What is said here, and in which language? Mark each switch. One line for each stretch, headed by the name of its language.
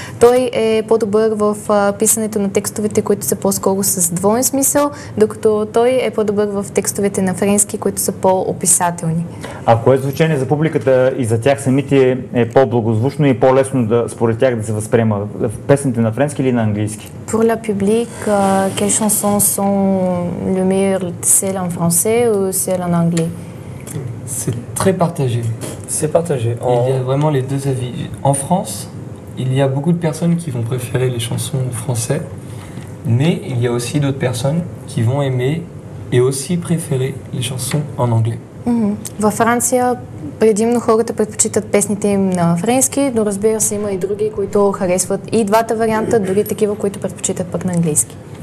Bulgarian: Той е по-добър в писането на текстовете, които са по-скоро с двоен смисъл, докато той е по-добър в текстовете на френски, които са по-описателни. А кое звучение за публиката и за тях самите е по-благозвучно и по-лесно да според тях да се възприема в песните на френски или на английски?
French: Pour le public, quelles chansons sont le meilleur, celle en français ou celle en anglais? C'est très partagé. C'est partagé. Il y a vraiment les deux avis. En France, il y a beaucoup de personnes qui vont préférer les chansons français, mais il y a aussi d'autres personnes qui vont aimer et aussi préférer les chansons en anglais.
Bulgarian: Във Франция предимно хората предпочитат песните им на френски, но разбира се, има и други, които харесват и двата варианта, дори такива, които предпочитат пък на английски.